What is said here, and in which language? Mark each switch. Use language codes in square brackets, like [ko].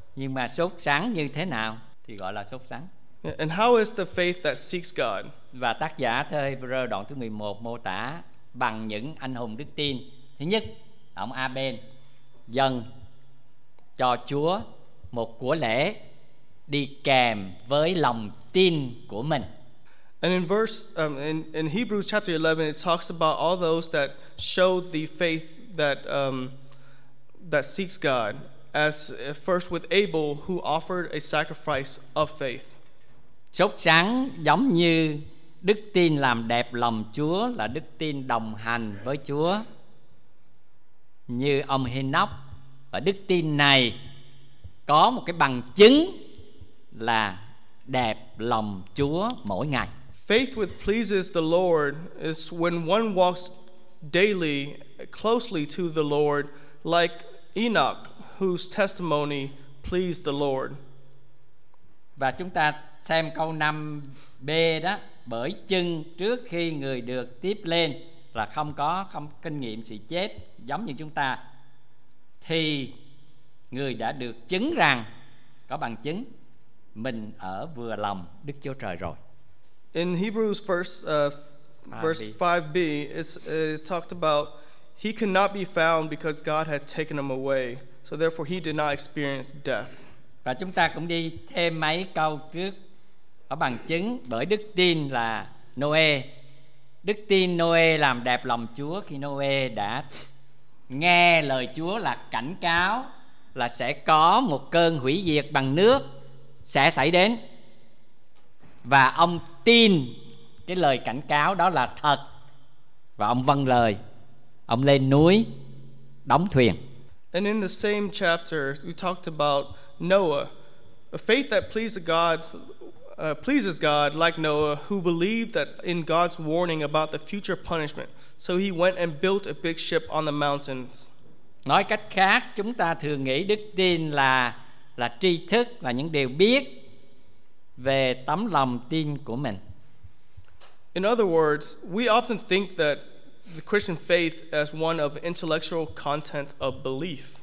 [vi] Nhưng mà sốt sắng như thế nào thì gọi là sốt sắng. [en] And how is the faith that seeks God? [vi] Và tác giả thơ Hebrew đoạn thứ 11 mô tả bằng những anh hùng đức tin. Thứ nhất, ông Abel dâng cho Chúa một của lễ đi kèm với lòng tin của mình. [en] And in verse in Hebrews chapter 11, it talks about all those that show the faith that that seeks God, as first with Abel, who offered a sacrifice of faith. [vi] Sốt sắng giống như đức tin làm đẹp lòng Chúa là đức tin đồng hành với Chúa như ông Henoch, và đức tin này có một cái bằng chứng là đẹp lòng Chúa mỗi ngày. [en] Faith which pleases the Lord is when one walks daily closely to the Lord, like Enoch, whose testimony pleased the Lord. [vi] Và chúng ta xem câu 5B đó, bởi chừng trước khi người được tiếp lên là không có không kinh nghiệm sự chết giống như chúng ta, thì người đã được chứng rằng, có bằng chứng mình ở vừa lòng Đức Chúa Trời rồi. [en] In Hebrews verse 5b, it talked about he cannot be found because God had taken him away, so therefore he did not experience death. [vi] Và chúng ta cũng đi thêm mấy câu trước ở bằng chứng bởi đức tin là Noe. Đức tin Noe làm đẹp lòng Chúa khi Noe đã nghe lời Chúa là cảnh cáo là sẽ có một cơn hủy diệt bằng nước sẽ xảy đến. Và ông tin cái lời cảnh cáo đó là thật. Và ông vâng lời. Ông lên núi đóng thuyền. [en] And in the same chapter we talked about Noah, a faith that pleased God, pleases God like Noah, who believed that in God's warning about the future punishment. So he went and built a big ship on the mountains. [vi] Nói cách khác, chúng ta thường nghĩ đức tin là tri thức, là những điều biết về tấm lòng tin của mình. [en] In other words, we often think that the Christian faith as one of intellectual content of belief.